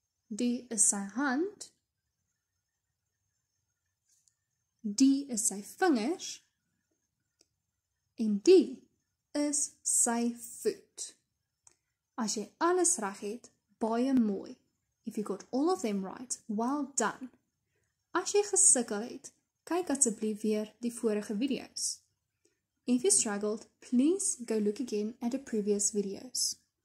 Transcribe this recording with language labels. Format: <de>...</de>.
<af>Die is sy hand. Die is sy vingers. En die is sy voet. As jy alles reg het, baie mooi.</af> <en>If you got all of them right, well done.</en> <af>As jy gesukkel het, kyk asseblief weer die vorige video's.</af> <en>If you struggled, please go look again at the previous video's.</en>